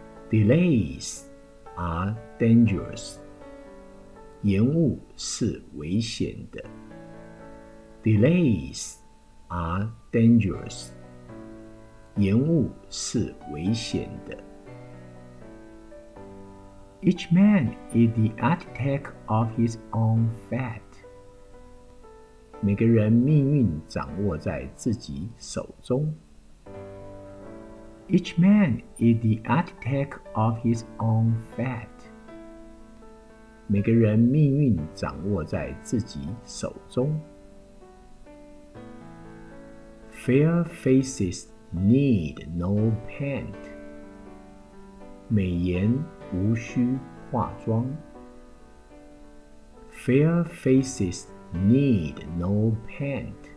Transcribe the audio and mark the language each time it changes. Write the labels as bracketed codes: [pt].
[en] Delays are dangerous. [zh] 延误是危险的。 [en] Delays are dangerous. [zh] 延误是危险的。 [en] Each man is the architect of his own fate. [zh] 每个人命运掌握在自己手中。 [en] Each man is the architect of his own fate. [zh] 每个人命运掌握在自己手中。 [en] Fair faces need no paint. [zh] 美颜无需化妆。 [en] Fair faces need no paint.